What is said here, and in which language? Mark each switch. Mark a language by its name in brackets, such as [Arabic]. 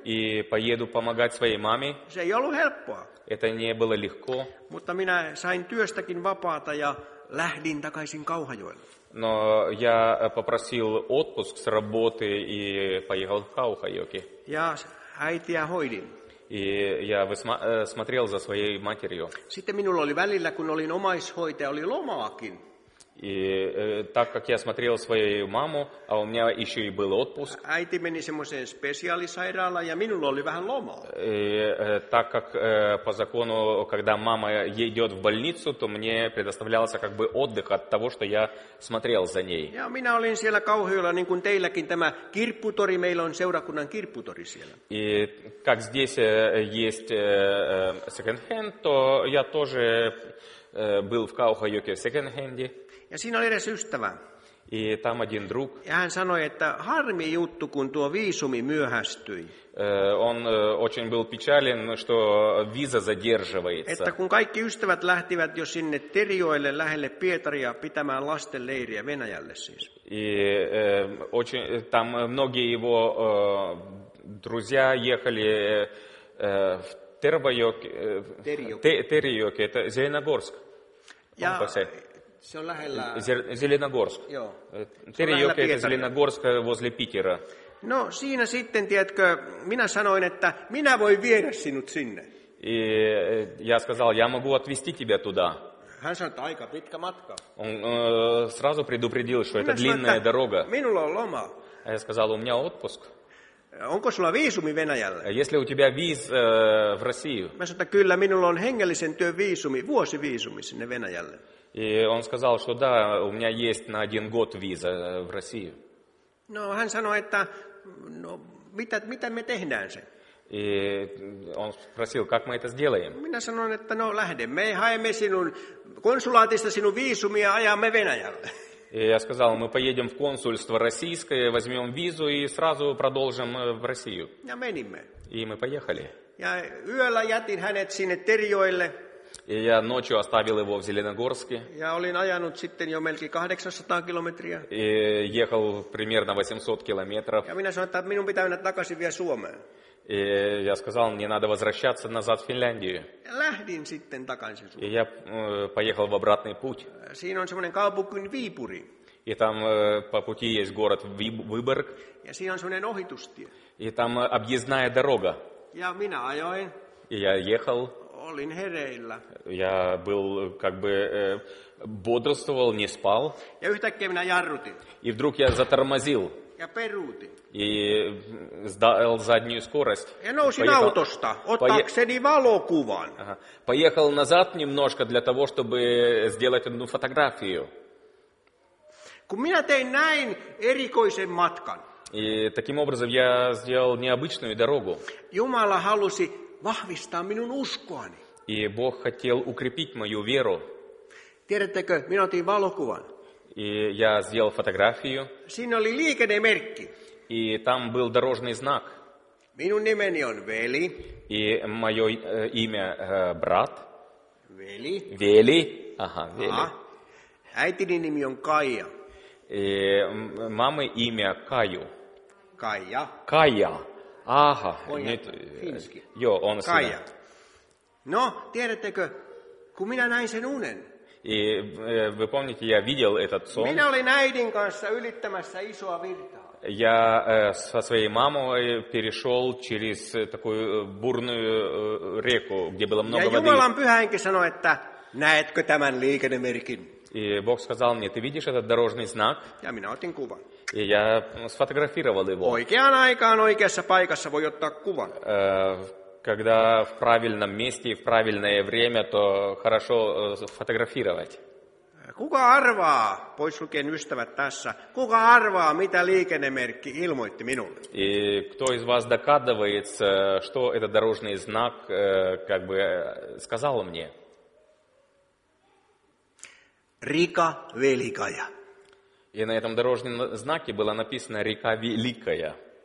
[Russian] И поеду помогать своей маме. [Finnish] Se ei ollut helppoa. [Russian] Это не было легко. [Finnish] Mutta minä sain työstäkin vapaata ja lähdin takaisin Kauhajoelle. [Russian] Но я попросил отпуск с работы и поехал в Кауха-Йоке. [Finnish] Ja äitiä hoidin. [Russian] И я смотрел за своей матерью. [Finnish] Sitten minulla oli välillä, kun olin omaishoitaja, oli lomaakin. [Russian] И так как я смотрел свою маму, а у меня еще и был отпуск. [Finnish] Äiti meni semmoiseen спеціалісайралаan, ja minulla oli vähän lomaa. [Russian] И так как по закону, когда мама идет в больницу, то мне предоставлялся как бы отдых от того, что я смотрел за ней. [Finnish] Ja minä olin siellä Kauhajoella, niin kuin teilläkin tämä kirpputori, meillä on seurakunnan kirpputori siellä. [Russian] И как здесь есть секонд-хенд, то я тоже был в Кауха-Йоке в секонд-хенде. [Finnish] Ja siinä oli edes ystävä. [Russian] И там один друг. [Finnish] Ja hän sanoi, että harmi juttu, kun tuo viisumi myöhästyi. [Russian] Он очень был печален, что виза задерживается. [Finnish] Että kun kaikki ystävät lähtivät jo sinne Terijoelle lähelle Pietaria pitämään lastenleiriä Venäjälle siis. [Russian] И очень там многие его друзья ехали в Терийоке, это Зеленогорск. [Finnish] Ja se on lähellä [Russian] Зеленогорск. [Finnish] Joo. [Russian] Терийоке это Зеленогорск возле Питера. [Finnish] No, siinä sitten, tiedätkö, minä sanoin, että minä voin viedä sinut sinne. [Russian] И я сказал, я могу отвезти тебя туда. [Finnish] Hän sanoi, että aika pitkä matka. [Russian] Он сразу предупредил, что это длинная дорога. [Finnish] Minulla on loma. [Russian] Я сказал, у меня отпуск. [Finnish] Onko sulla viisumi Venäjälle? [Russian] Если у тебя виз в Россию. [Finnish] Mä sanoin, että kyllä, minulla on hengellisen työn viisumi, vuosiviisumi sinne Venäjälle. [Russian] И он сказал, что да, у меня есть на один год виза в Россию. [Finnish] No, hän sanoi, että no, mitä me tehdään sen? [Russian] И он спросил, как мы это сделаем? [Finnish] Minä sanoin, että no lähdemme, haemme sinun konsulaatista sinun viisumi ja ajamme Venäjälle. [Russian] И я сказал, мы поедем в консульство российское, возьмем визу и сразу продолжим в Россию. [Finnish] Ja menimme. [Russian] И мы поехали. [Finnish] Ja yöllä jätin hänet sinne Terijoelle. [Russian] И я ночью оставил его в Зеленогорске. [Finnish] Ja olin ajanut sitten jo melkein 800 kilometriä. [Russian] И ехал примерно 800 километров. [Finnish] Ja minä sanoin, että minun pitää mennä takaisin vielä Suomeen. [Russian] И я сказал, мне надо возвращаться назад в Финляндию. [Finnish] Lähdin sitten takaisin Suomeen. [Russian] И я поехал в обратный путь. [Finnish] Siinä on semmoinen kaupunki kuin Viipuri. [Russian] И там по пути есть город Выборг. [Finnish] Ja siinä on semmoinen ohitustie. [Russian] И там объездная дорога. [Finnish] Ja minä ajoin. [Russian] И я ехал. [Finnish] Olin hereillä. [Russian] Я был как бы бодрствовал, не спал. [Finnish] Ja yhtäkkiä minä jarrutin. [Russian] И вдруг я затормозил. [Finnish] Ja peruutin. [Russian] И сдал заднюю скорость. [Finnish] Ja nousin [Russian] поехал, [Finnish] autosta, ottakseni valokuvan. [Russian] Ага. Поехал назад немножко для того, чтобы сделать одну фотографию. [Finnish] Kun minä tein näin erikoisen matkan. [Russian] И таким образом я сделал необычную дорогу. [Finnish] Jumala halusi vahvistaa minun uskoani. [Russian] И Бог хотел укрепить мою веру. [Finnish] Tiedättekö, minä otin valokuvan. [Russian] И я сделал фотографию. [Finnish] Siinä oli liikennemerkki. [Russian] И там был дорожный знак. [Finnish] Minun nimeni on Veli. [Russian] И мое имя брат. [Finnish] Veli. Veli. Ага, Veli. Äitini nimi on Kaija. [Russian] И мамы имя Каю. Кая. Кая. Ага. Нет, финский. [Finnish] Jo, on Kaija. No, tiedättekö, kun minä näin sen unen. [Russian] И вы помните, я видел этот сон. [Finnish] Minä olin äidin kanssa ylittämässä isoa virtaa. [Russian] Я со своей мамой перешел через такую бурную реку, где было много воды. [Finnish] Ja Jumalan pyhä henki sanoi, että näetkö tämän liikennemerkin? [Russian] И Бог сказал мне, ты видишь этот дорожный знак? [Finnish] Ja minä otin kuvan. [Russian] И я сфотографировал его. [Finnish] Oikeaan aikaan oikeassa paikassa voi ottaa kuvan. [Russian] Когда в правильном месте и в правильное время, то хорошо фотографировать. [Finnish] Kuka arvaa, pois lukien ystävät tässä, kuka arvaa, mitä liikennemerkki ilmoitti minulle? [Russian] И кто из вас догадывается, что этот дорожный знак как бы сказал мне? Река Великая. И на этом дорожном знаке было написано «Река Великая».